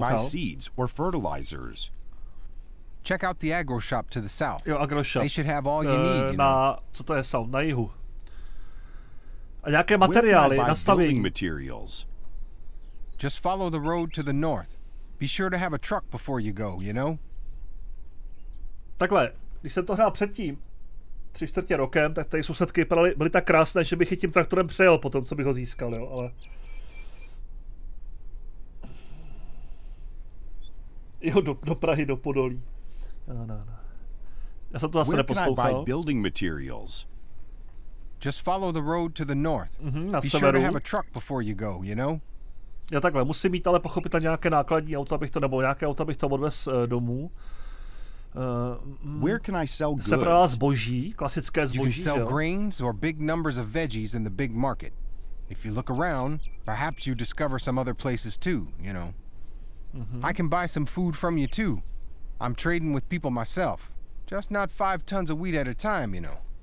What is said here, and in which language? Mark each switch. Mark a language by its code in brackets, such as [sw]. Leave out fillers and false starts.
[en] Where can I buy seeds or fertilizers? Check out the agro shop to the south. [cs] Jo, agro shop. [en] They should have all you need, you [cs] na, [en] know. [cs] Co to je [en] south? [cs] Na jihu. A nějaké materiály, nastavení. [en] Just follow the road to the north. Be sure to have a truck before you go, you know? [cs] Takhle, když jsem to hrál předtím, 3/4 rokem, tak tady sousedky byly tak krásné, že bych i tím traktorem přejel po tom, co bych ho získal, jo, ale... Jo, do Prahy, do Podolí. No. Já jsem to zase neposlouchal. [en] Where can I buy building materials? Just follow the road to the north. [cs] Na [en] Be [cs] severu. [en] Sure to have a truck before you go, you know? [cs] Já takhle, musím mít ale pochopitelně nějaké nákladní auto, abych to, nebo nějaké auto, abych to odvez domů. [en] Where can I sell goods? [cs] Sebrala zboží, klasické zboží, [en] You can sell grains or big numbers of veggies in the big market. If you look around, perhaps you discover some other places too, you know? Mm-hmm. I can buy some food from you too. I'm trading with people myself. Just not 5 tons of wheat at a time, you know.